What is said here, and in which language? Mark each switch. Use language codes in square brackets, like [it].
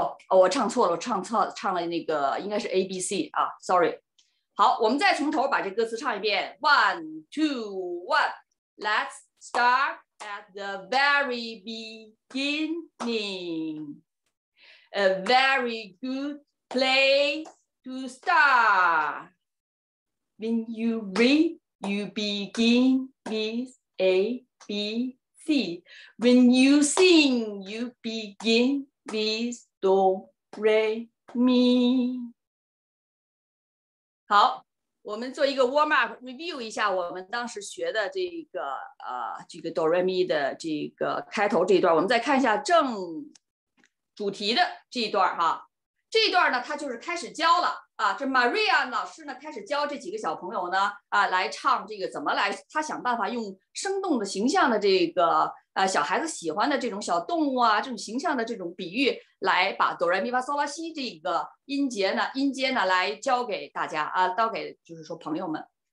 [zh] 我唱错了，唱了那个应该是 A B C 啊 ，sorry。好，我们再从头把这歌词唱一遍 [en] ，1 2 1 ，Let's start at the very beginning， a very good place to start。 When you read, you begin with A B C. When you sing, you begin with Do Re Mi. [zh] 好，我们做一个 [en] warm up review [zh] 一下我们当时学的这个这个 Do Re Mi 的这个开头这一段。我们再看一下正主题的这一段哈。这一段呢，它就是开始教了。啊，这 Maria 老师呢开始教这几个小朋友呢啊来唱这个怎么来，他想办法用生动的形象的这个小孩子喜欢的这种小动物啊这种形象的这种比喻来把哆来咪发嗦拉西这个音节呢来教给大家啊，教给就是说朋友们。